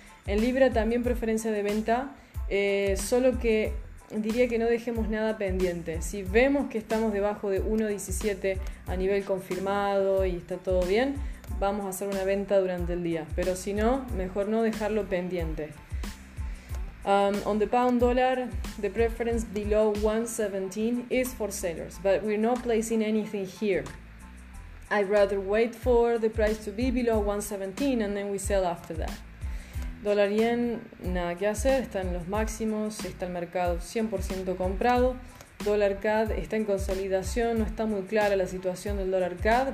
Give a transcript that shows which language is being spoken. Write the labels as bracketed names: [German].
[Spanish] En libra también preferencia de venta, solo que diría que no dejemos nada pendiente. Si vemos que estamos debajo de 1.17 a nivel confirmado y está todo bien, vamos a hacer una venta durante el día. Pero si no, mejor no dejarlo pendiente. [English] On the pound dollar, the preference below 1.17 is for sellers, but we're not placing anything here. I'd rather wait for the price to be below 1.17 and then we sell after that. [Spanish] Dólar yen, nada que hacer, está en los máximos, está el mercado 100% comprado. Dólar CAD está en consolidación, no está muy clara la situación del dólar CAD.